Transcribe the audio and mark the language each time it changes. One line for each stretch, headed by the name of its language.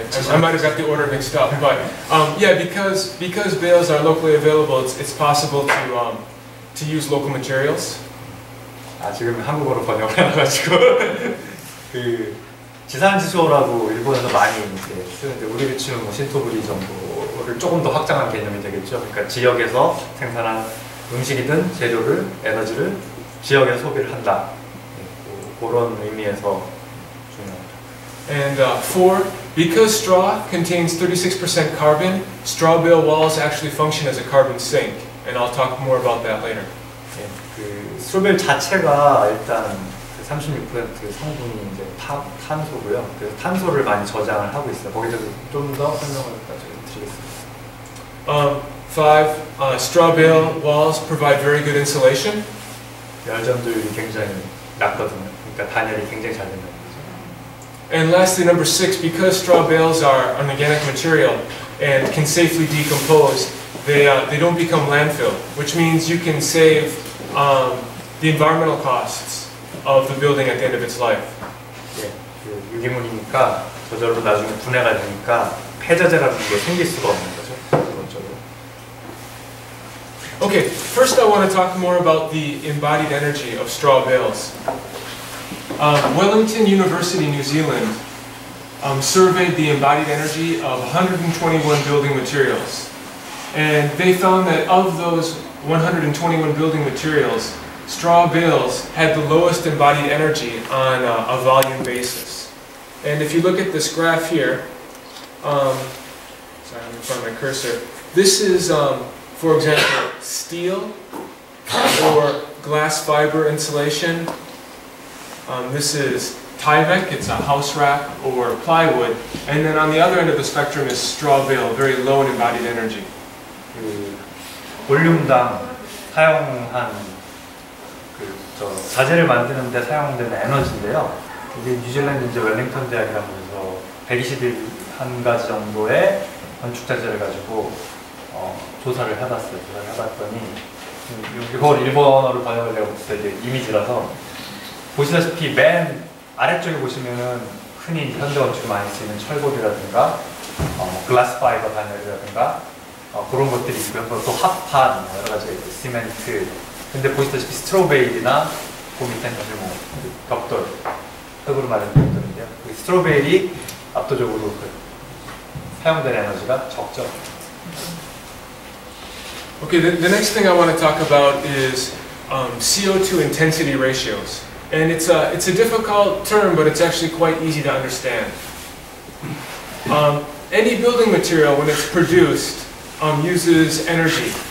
English: I might have got the order mixed up, but yeah, because bales are locally available, it's possible to use local materials.
Korean: 아 지금 한국어로 번역해가지고 그 지산지소라고 일본에서 많이 이제 쓰는데 우리를 치면 뭐 신토부리 정도를 조금 더 확장한 개념이 되겠죠. 그러니까 지역에서 생산한 음식이든 재료를 에너지를 지역에서 소비를 한다. 그런 의미에서 중요합니다.
English: And four, because straw contains 36% carbon, straw bale walls actually function as a carbon sink. And I'll talk more about that later.
Korean: 예, 그 수별 자체가 일단 그 36% 성분이 이제 탄소고요. 그 탄소를 많이 저장을 하고 있어요. 거기서 좀 더 설명을 드리겠습니다.
English: Five, straw bale walls provide very good insulation.
Korean: 열전도율이 굉장히 낮거든요. 그러니까 단열이 굉장히 잘 된다는 거죠.
English: And lastly, number six, because straw bales are an organic material and can safely decompose, they don't become landfill, which means you can save the environmental costs of the building at the end of its life.
Korean: 예, 그 유기물이니까 저절로 나중에 분해가 되니까 폐자재 같은 게 생길 수가 없는 거죠.
English: Okay, first I want to talk more about the embodied energy of straw bales. Wellington University, New Zealand, surveyed the embodied energy of 121 building materials. And they found that of those 121 building materials, straw bales had the lowest embodied energy on a volume basis. And if you look at this graph here, sorry, I'm in front of my cursor, this is... For example, steel or glass fiber insulation. This is Tyvek, it's a house wrap or plywood. And then on the other end of the spectrum is straw bale, very low in embodied energy.
Korean: 볼륨당 사용한 그 저 자재를 만드는 데 사용되는 에너지인데요. 이게 뉴질랜드 이제 웰링턴 대학이라는 데서 121 가지 정도의 건축 자재를 가지고 조사를 해봤어요. 조사를 해봤더니 이걸 일본어로 번역을 해보고 있어요. 이미지라서 보시다시피 맨 아래쪽에 보시면은 흔히 현대 건축에 많이 쓰이는 철골이라든가 글라스 파이버 단열이라든가 그런 것들이 있고요. 또 합판 여러 가지 시멘트. 근데 보시다시피 스트로베일이나 그 밑에는 뭐 벽돌 흙으로 마련된 것들인데요. 그 스트로베일이 압도적으로 그 사용된 에너지가 적죠.
English: Okay, the next thing I want to talk about is CO2 intensity ratios. And it's a difficult term, but it's actually quite easy to understand. Any building material, when it's produced, uses energy.